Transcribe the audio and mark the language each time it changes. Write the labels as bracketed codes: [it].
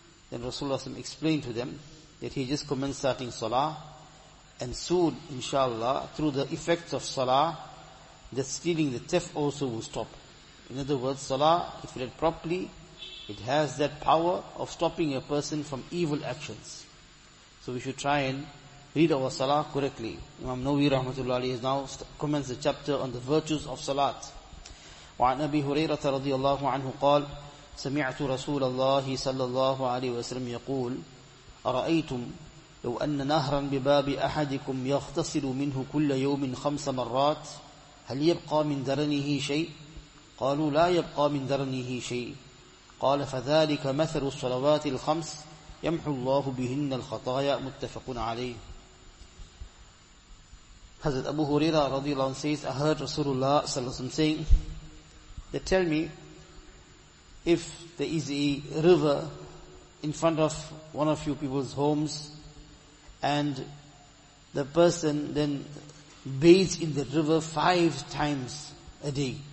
[en] Then Rasulullah sallallahu explained to them that he just commenced starting salah, and soon inshallah through the effects of salah, the stealing, the theft also will stop. In other words, salah, if read properly, it has that power of stopping a person from evil actions. So we should try and read our salah correctly. Imam Nawawi rahmatullah alayhi has now commenced the chapter on the virtues of salat. [ar] وعن أبي هريرة رضي الله عنه قال سمعت رسول الله صلى الله عليه وسلم يقول أرأيتم لو أن نهرا بباب أحدكم يغتسل منه كل يوم خمس مرات هل يبقى من درنه شيء؟ قالوا لا يبقى من درنه شيء. قال فذلك مثل الصلوات الخمس يمحو الله بهن الخطايا متفق عليه. [en] حضرت أبو هريرة [ar] رضي الله عنه [en] says, I heard Rasulullah [ar] صلى الله عليه وسلم [en] saying that tell me if there is a river in front of one of you people's homes and the person then bathes in the river five times a day.